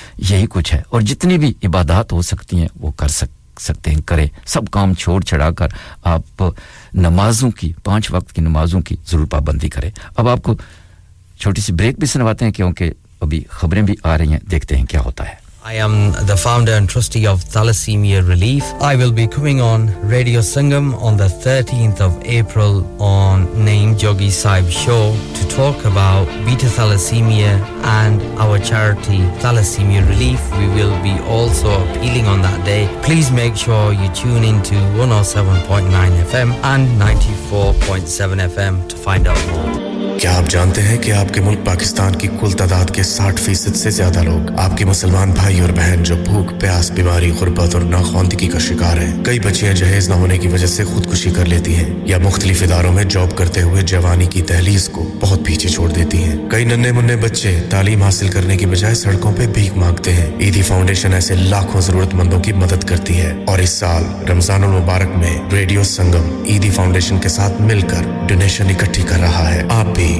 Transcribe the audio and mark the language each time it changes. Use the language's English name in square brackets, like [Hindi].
[Urdu] یہی کچھ ہے اور جتنی بھی عبادات ہو سکتی ہیں وہ کر سکتے ہیں کریں سب کام چھوڑ چھڑا کر آپ نمازوں کی پانچ وقت کی نمازوں کی ضرور پابندی کریں اب آپ کو چھوٹی سی بریک بھی سنواتے ہیں کیونکہ ابھی خبریں بھی آ رہی ہیں دیکھتے ہیں کیا ہوتا ہے [English] I am the founder and trustee of Thalassemia Relief. I will be coming on Radio Sangam on the 13th of April on Naeem Jogi Saib Show to talk about beta thalassemia and our charity Thalassemia Relief. We will be also appealing on that day. Please make sure you tune in to 107.9 FM and 94.7 FM to find out more. [Urdu] کیا آپ جانتے ہیں کہ آپ کے ملک پاکستان کی کل تعداد کے 60% سے زیادہ لوگ آپ کے مسلمان بھائی اور بہن جو بھوک پیاس بیماری غربت اور ناخواندگی کا شکار ہیں کئی بچیاں جہیز نہ ہونے کی وجہ سے خودکشی کر لیتی ہیں یا مختلف اداروں میں جاب کرتے ہوئے جوانی کی دہلیز کو بہت پیچھے چھوڑ دیتی ہیں کئی ننھے منھے بچے تعلیم حاصل کرنے کی بجائے سڑکوں پہ بھیک مانگتے ہیں عیدی فاؤنڈیشن ایسے لاکھوں ضرورت مندوں کی مدد کرتی ہے اور اس سال رمضان المبارک میں ریڈیو سنگم عیدی فاؤنڈیشن کے ساتھ مل کر ڈونیشن اکٹھی کر رہا ہے آپ بھی